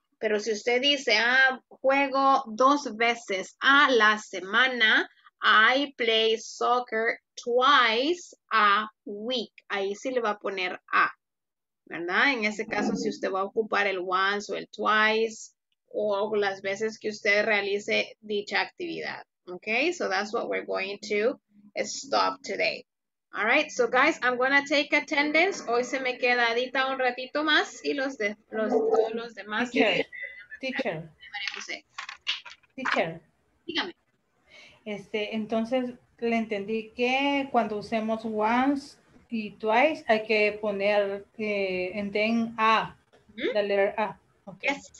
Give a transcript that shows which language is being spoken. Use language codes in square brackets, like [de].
[es] Pero si usted dice, juego dos veces a la semana, [en] I play soccer twice a week. [es] Ahí sí le va a poner a, ¿verdad? En ese caso, si usted va a ocupar el once o el twice o las veces que usted realice dicha actividad. [en] Okay, so that's what we're going to stop today. All right, so guys, I'm going to take attendance. [es] Hoy se me queda Adita un ratito más y todos los demás. [en] Teacher. Teacher. [es] Dígame. Entonces, le entendí que cuando usemos once y twice, hay que poner [en] and then A, [es] la letter A. Okay.